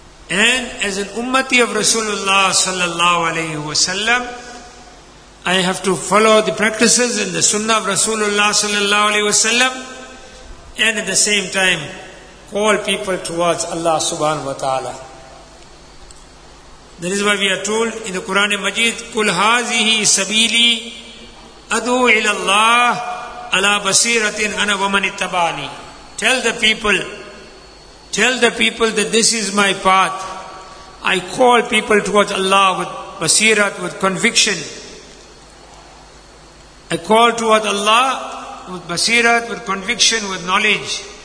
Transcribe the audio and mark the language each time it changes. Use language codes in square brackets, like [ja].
[en] And as an ummati of Rasulullah sallallahu alayhi wa sallam, I have to follow the practices and the sunnah of Rasulullah sallallahu alayhi wa sallam, and at the same time, call people towards Allah subhanahu wa ta'ala. That is why we are told in the Quran Majid, [ar] قُلْ هَذِهِ سَبِيلِي أَدُوْ إِلَى اللَّهِ عَلَىٰ بَصِيرَةٍ أَنَا وَمَنِ اتَّبَعَنِي. [en] Tell the people that this is my path. I call people towards Allah with basirat, with conviction. I call towards Allah with basirat, with conviction, with knowledge.